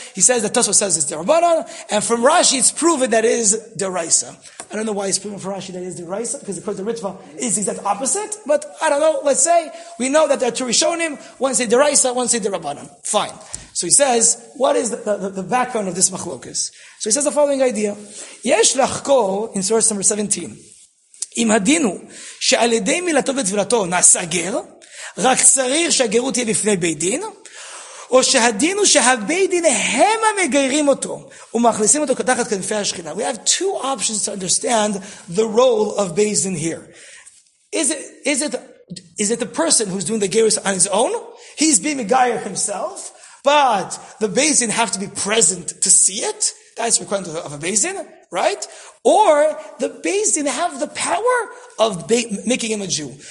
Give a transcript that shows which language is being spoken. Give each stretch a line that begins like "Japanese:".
English: He says that Tosfos says it's Derabanan, and from Rashi it's proven that it is Deraisa. I don't know why it's proven from Rashi that it is Deraisa, because according to Ritva, it's the exact opposite, but I don't know, let's say, we know that there are two Rishonim, one say Deraisa, one say Derabanan. Fine. So he says, what is the background of this Machlokas? So he says the following idea.
Hebrew: Yesh lachko,
English: in source number 17,
Hebrew: אם הדינו שעל ידי מילתו ותבילתו נעשה גר, רק צריך שהגרות תהיה לפני בית דין, או שהדינו שהבית דין הם המגיירים אותו, ומאכלסים אותו כתחת כנפי השכינה.
English: We have two options to understand the role of Beis Din here. Is it the person who's doing the gerus on his own? He's being megayer himself, but the Beis Din have to be present to see it? That's required of a Beis Din, right? Or the Beis Din have the power of making him a Jew.